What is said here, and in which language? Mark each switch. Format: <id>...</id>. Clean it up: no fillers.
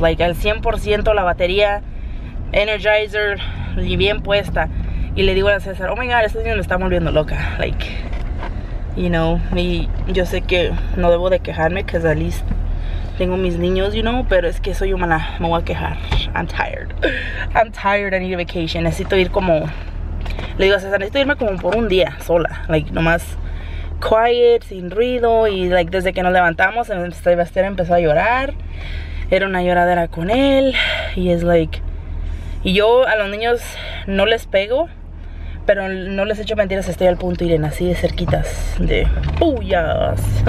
<en>Like</en> <es>al 100% la batería Energizer y bien puesta. Y le digo a César,</es> <en>oh my god,</en> <es>estos niños me están volviendo loca.</es> <en>Like, you know,</en> <es>y yo sé que no debo de quejarme, que</es> <en>at least</en> <es>tengo mis niños,</es> <en>you know,</en> <es>pero es que soy humana, me voy a quejar.</es> <en>I'm tired, I need a vacation.</en> <es>Necesito ir como, le digo a César, necesito irme como por un día sola, like nomás</es> <en>quiet,</en> <es>sin ruido. Y like desde que nos levantamos, Sebastián empezó a llorar, era una lloradera con él. Y es like, y yo a los niños no les pego, pero no les echo mentiras, estoy al punto, Irene, así de cerquitas, de puyas.</es>